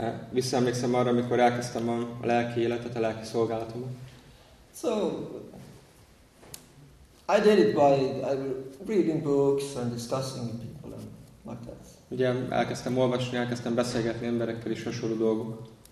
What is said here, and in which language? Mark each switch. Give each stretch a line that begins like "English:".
Hungarian: Visszaemlékszem arra, amikor elkezdtem a lelki életet, a lelki szolgálatomat.
English: So I did it by reading books and discussing with people and like that.
Hungarian: Ugye elkezdtem olvasni, elkezdtem beszélgetni emberekkel is hasonló dolgok.